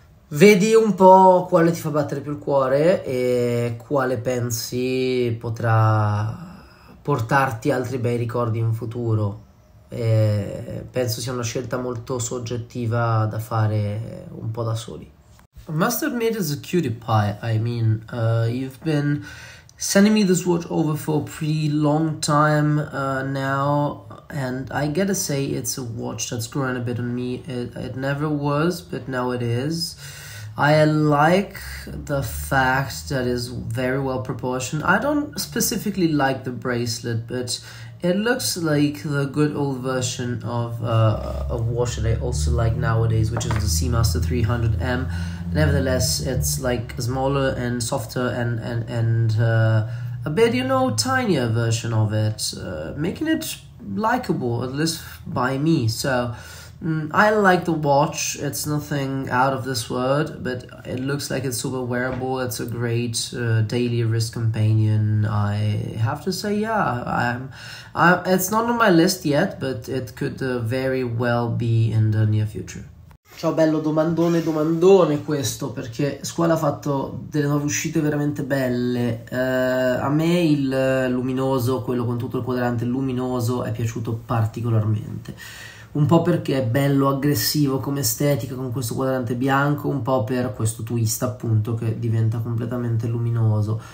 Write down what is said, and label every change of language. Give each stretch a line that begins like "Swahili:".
Italian: Vedi un po' quale ti fa battere più il cuore e quale pensi potrà portarti altri bei ricordi in futuro. E penso sia una scelta molto soggettiva da fare un po' da soli.
English: Master made is a cutie pie, I mean. You've been sending me this watch over for a pretty long time now. And I gotta say, it's a watch that's grown a bit on me. It never was, but now it is. I like the fact that it is very well proportioned. I don't specifically like the bracelet, but it looks like the good old version of a watch that I also like nowadays, which is the Seamaster 300M. Nevertheless, it's like a smaller and softer and a bit, tinier version of it, making it likable, at least by me. So I like the watch. It's nothing out of this world, but it looks like it's super wearable. It's a great daily wrist companion. I have to say, yeah, it's not on my list yet, but it could very well be in the near future.
Italian: Ciao bello, domandone, domandone questo, perché Squall ha fatto delle nuove uscite veramente belle. A me il luminoso, quello con tutto il quadrante luminoso, è piaciuto particolarmente. Un po' perché è bello aggressivo come estetica con questo quadrante bianco, un po' per questo twist appunto che diventa completamente luminoso.